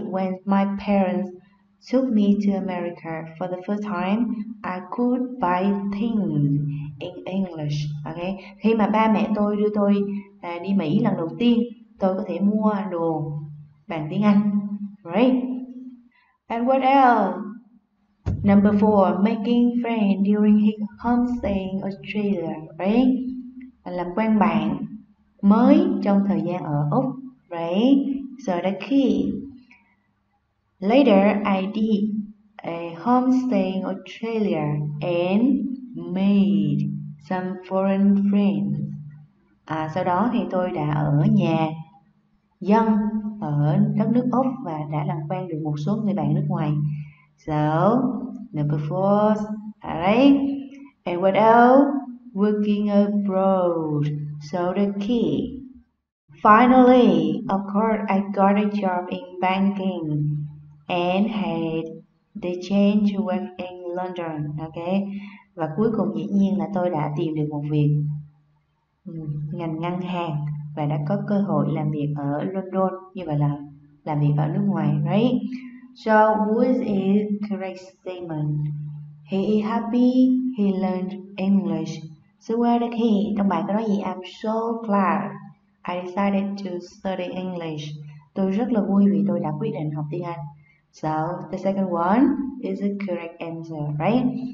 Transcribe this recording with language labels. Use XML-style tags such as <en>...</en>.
<en>When my parents took me to America for the first time, I could buy things in English. Okay?</en> <vi>Khi mà ba mẹ tôi đưa tôi đi Mỹ lần đầu tiên, tôi có thể mua đồ bằng tiếng Anh.</vi> <en>Right? And what else? Number four, making friends during his homestay in Australia. Right?</en> <vi>Làm quen bạn mới trong thời gian ở Úc.</vi> <en>Right? So the key. Later, I did a homestay in Australia and made some foreign friends.</en> <vi>À, sau đó thì tôi đã ở nhà dân ở đất nước Úc và đã làm quen được một số người bạn nước ngoài.</vi> <en>So, number four, alright. And what else? Working abroad. So the key. Finally, of course, I got a job in banking and had the chance to work in London, okay?</en> <vi>Và cuối cùng dĩ nhiên là tôi đã tìm được một việc ngành ngân hàng và đã có cơ hội làm việc ở London, như vậy là làm việc ở nước ngoài, right?</vi> <en>So, which is correct statement? He is happy he learned English. So, where the key?</en> <vi>Trong bài có nói gì?</vi> <en>I'm so glad. I decided to study English.</en> <vi>Tôi rất là vui vì tôi đã quyết định học tiếng Anh.</vi> <en>So, the second one is the correct answer, right?</en>